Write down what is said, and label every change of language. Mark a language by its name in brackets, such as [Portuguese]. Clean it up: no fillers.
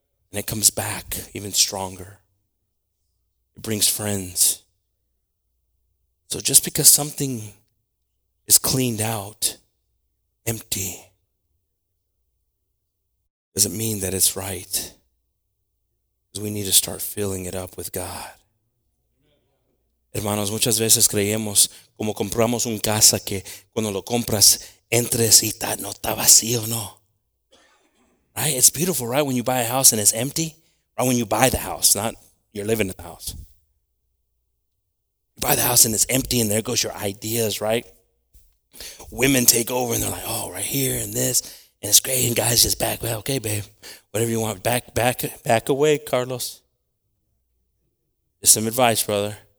[English] And it comes back even stronger. It brings friends. So just because something is cleaned out, empty, doesn't mean that it's right. We need to start filling it up with God. [Spanish] Hermanos, muchas veces creemos como compramos un casa que cuando lo compras entres y no está vacío, no. [English] Right? It's beautiful, right? When you buy a house and it's empty. Right? When you buy the house, not you're living in the house. You buy the house and it's empty and there goes your ideas, right? women take over and they're like, oh, right here and this. And it's great. And guys just back. Well, okay, babe, whatever you want. Back away, Carlos. Just some advice, brother.